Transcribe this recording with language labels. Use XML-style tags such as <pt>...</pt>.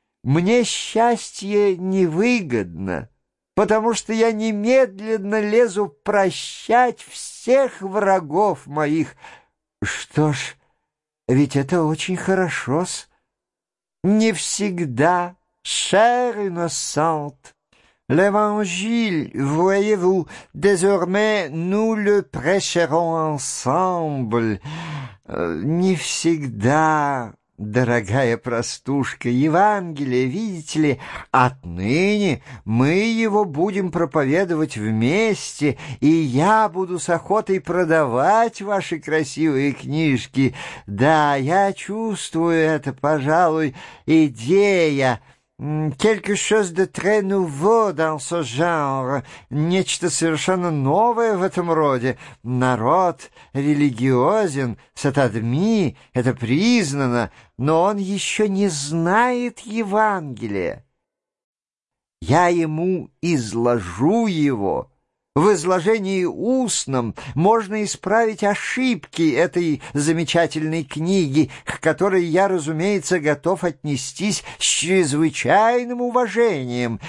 <ru>Мне счастье невыгодно, потому что я немедленно лезу прощать всех врагов моих. Что ж, ведь это очень хорошо-с. Не всегда,</ru> <fr>cher innocent. L'évangile, voyez-vous, désormais nous le prêcherons ensemble.</fr> <ru>Не всегда... Дорогая простушка, Евангелие, видите ли, отныне мы его будем проповедовать вместе, и я буду с охотой продавать ваши красивые книжки. Да, я чувствую это, пожалуй, идея.</ru> <fr>«Quelque chose de très nouveau dans ce genre».</fr> <ru>«Нечто совершенно новое в этом роде. Народ религиозен, сатадми, это признано, но он еще не знает Евангелия. Я ему изложу его». В изложении устном можно исправить ошибки этой замечательной книги, к которой я, разумеется, готов отнестись с чрезвычайным уважением.</ru>